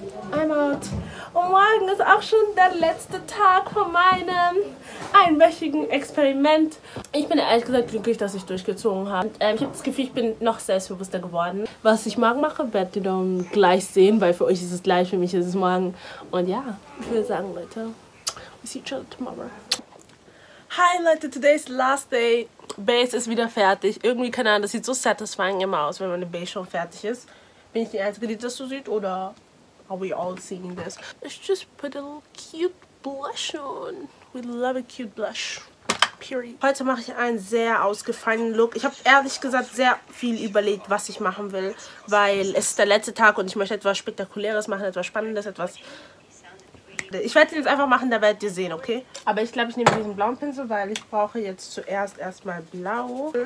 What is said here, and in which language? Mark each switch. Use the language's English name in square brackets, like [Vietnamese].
[German] Und morgen ist auch schon der letzte Tag von meinem einwöchigen Experiment. Ich bin ehrlich gesagt glücklich, dass ich durchgezogen habe. Ich habe das Gefühl, ich bin noch selbstbewusster geworden. Was ich morgen mache, werdet ihr dann gleich sehen, weil für euch ist es gleich, für mich ist es morgen. Und ja, ich würde sagen, Leute, [English] we see each other tomorrow. Hi Leute, today's last day. [German] Base ist wieder fertig. Irgendwie, keine Ahnung, das sieht so satisfying immer aus, wenn meine Base schon fertig ist. Bin ich die Einzige, die das so sieht, oder [English] are we all seeing this? Let's just put a little cute blush on. We love a cute blush. Period. [German] Heute mache ich einen sehr ausgefallenen Look. Ich habe ehrlich gesagt sehr viel überlegt, was ich machen will, weil es ist der letzte Tag und ich möchte etwas Spektakuläres machen, etwas Spannendes, etwas... Ich werde es jetzt einfach machen, da werdet ihr sehen, okay? Aber ich glaube, ich nehme diesen blauen Pinsel, weil ich brauche jetzt zuerst erstmal blau.